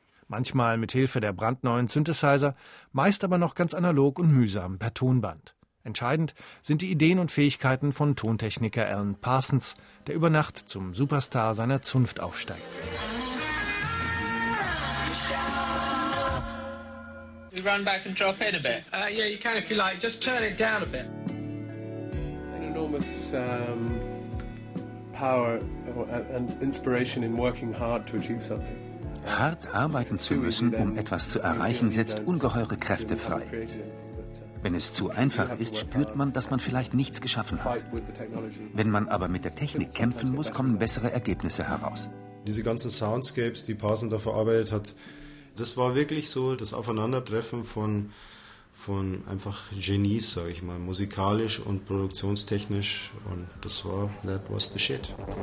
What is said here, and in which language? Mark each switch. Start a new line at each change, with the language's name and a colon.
German: Manchmal mit Hilfe der brandneuen Synthesizer, meist aber noch ganz analog und mühsam per Tonband. Entscheidend sind die Ideen und Fähigkeiten von Tontechniker Alan Parsons, der über Nacht zum Superstar seiner Zunft aufsteigt.
English: We run back and drop in a bit. Yeah, you can if you like. Just turn it down a bit. An enormous power and inspiration in working hard to achieve something.
German: Hart arbeiten zu müssen, um etwas zu erreichen, setzt ungeheure Kräfte frei. Wenn es zu einfach ist, spürt man, dass man vielleicht nichts geschaffen hat. Wenn man aber mit der Technik kämpfen muss, kommen bessere Ergebnisse heraus. Diese ganzen Soundscapes, die Parsons da verarbeitet hat, das war wirklich so das Aufeinandertreffen von einfach Genies, sage ich mal, musikalisch und produktionstechnisch. Und das war,
English: that was the shit.